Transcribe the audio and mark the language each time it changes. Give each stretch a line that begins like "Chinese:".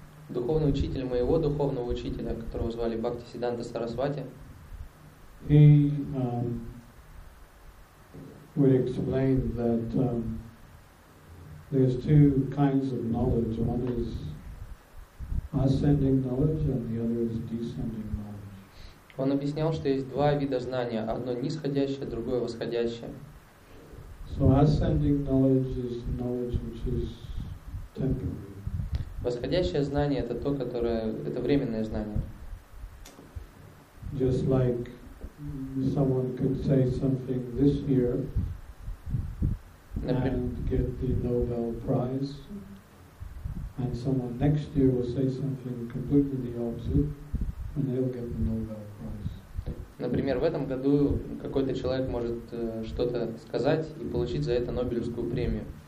Russian: Духовный учитель моего духовного учителя, которого звали Бхакти Сиданта Сарасвати.
English: He would explain that there's two kinds of knowledge. One is ascending knowledge, and the other is descending knowledge.
Russian: Он объяснял, что есть два вида знания: одно нисходящее, другое восходящее.
English: So ascending knowledge is knowledge which is temporary.
Russian: Восходящее знание это то, которое это временное знание.
English: Just like someone could say something this year and get the Nobel Prize, and someone next year will say something completely the opposite and they'll get the Nobel Prize.
Russian: Например, в этом году какой-то человек может что-то сказать и получить за это Нобелевскую премию.